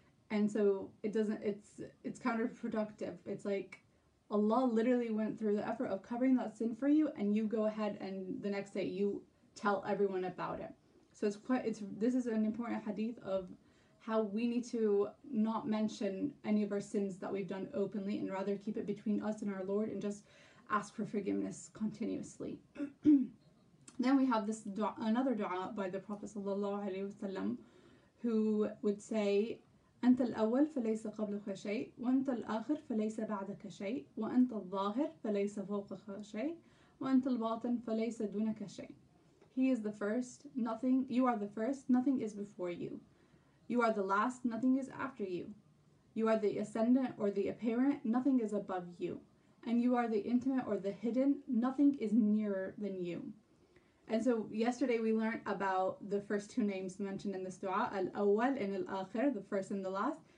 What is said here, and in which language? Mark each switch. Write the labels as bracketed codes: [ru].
[en] And so it's counterproductive. It's like Allah literally went through the effort of covering that sin for you, and you go ahead and the next day you tell everyone about it. So this is an important hadith of how we need to not mention any of our sins that we've done openly, and rather keep it between us and our Lord, and just ask for forgiveness continuously. Then we have this another dua by the Prophet sallallahu alaihi wasallam, who would say, [ar] أنت الأول فليس قبلك شيء وأنت الآخر فليس بعدك شيء وأنت الظاهر فليس فوقك شيء وأنت الباطن فليس دونك شيء. [en] He is the first, nothing. You are the first, nothing is before you. You are the last, nothing is after you. You are the ascendant or the apparent, nothing is above you. And you are the intimate or the hidden, nothing is nearer than you. And so yesterday we learned about the first two names mentioned in this dua, Al-Awwal and Al-Akhir, the first and the last.